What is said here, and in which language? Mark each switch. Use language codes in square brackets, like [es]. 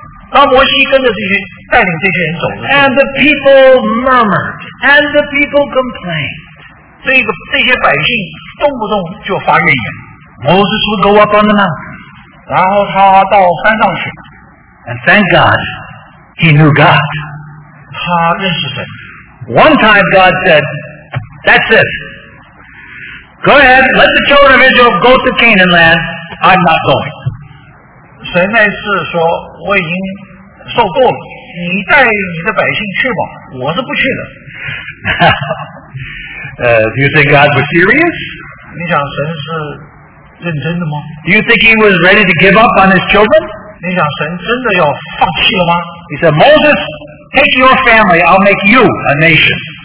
[zh] 当摩西跟着这些带领这些人走 [en] ，and the people murmured, and the people complained. [zh] 这些百姓动不动就发怨言。 [en] Moses would go up on the mountain， [zh] 然后他到山上去。 [en] And thank God, he knew God. [zh] 他认识神。 [en] One time God said, "That's it. Go ahead, let the children of Israel go to Canaan land. I'm not going." [zh] 神那次说我已经受够了，你带你的百姓去吧，我是不去的。 [en] Do you think God was serious? [zh] 你想神是认真的吗? [en] Do you think he was ready to give up on his children? [zh] 你想神真的要放弃了吗? [en] He said, Moses, take your family, I'll make you a nation.